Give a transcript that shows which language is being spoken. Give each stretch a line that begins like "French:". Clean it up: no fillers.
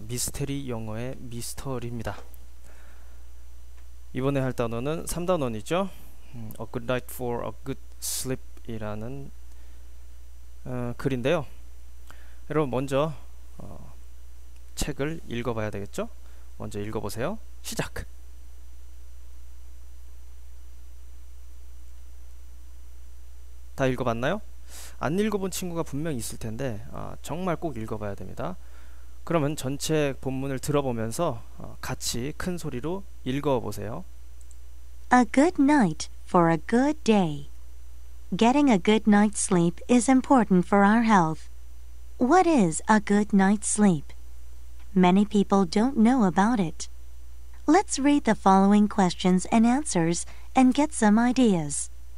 Korean: 미스테리 영어의 미스터리입니다. 이번에 할 단어는 3단원이죠.
English: A good night for a good sleep이라는 글인데요.
Korean: 여러분, 먼저 책을 읽어봐야 되겠죠? 먼저 읽어보세요. 시작! 다 읽어봤나요? 안 읽어본 친구가 분명 있을 텐데, 정말 꼭 읽어봐야 됩니다. 그러면 전체 본문을 들어보면서 같이 큰 소리로 읽어보세요.
English: A good night for a good day. Getting a good night's sleep is important for our health. What is a good night's sleep? Many people don't know about it. Let's read the following questions and answers and get some ideas.